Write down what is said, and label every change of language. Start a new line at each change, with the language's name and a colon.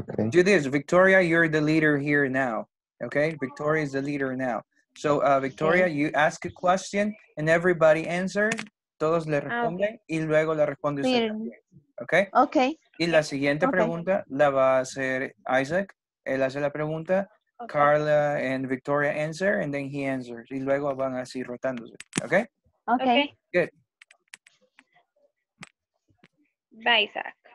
English: Do this. Victoria, you're the leader here now, okay? Victoria is the leader now. So, Victoria, you ask a question and everybody answer.
Spanish: Todos le responden y luego le responde usted.
English: Okay? Okay.
Spanish: Y la siguiente pregunta la va a hacer Isaac. Él hace la pregunta. Okay.
English: Carla and Victoria answer, and then he answers.
Spanish: Y luego van así rotándose. Okay?
English: Okay. Good. Bye, Isaac.